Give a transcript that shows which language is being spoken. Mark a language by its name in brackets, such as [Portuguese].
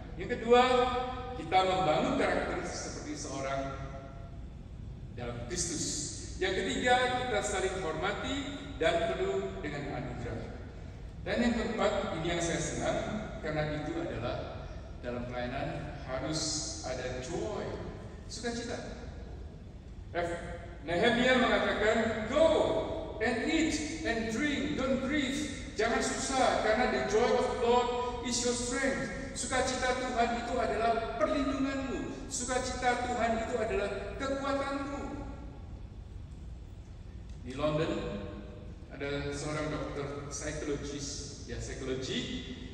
[Indonesian] Yang kedua, kita membangun karakter seperti seorang dalam Kristus. Yang ketiga, kita saling hormati dan penuh dengan anugerah. Dan yang keempat, ini yang saya senang, karena itu adalah dalam pelayanan harus ada joy, sukacita. [English] Nehemia mengatakan, go and eat and drink, don't grieve. [Indonesian] Jangan susah, karena [English] the joy of the Lord is your strength. [Indonesian] Sukacita Tuhan itu adalah perlindunganmu. Sukacita Tuhan itu adalah kekuatanmu. Di London ada seorang dokter psikologis, ya psikologi.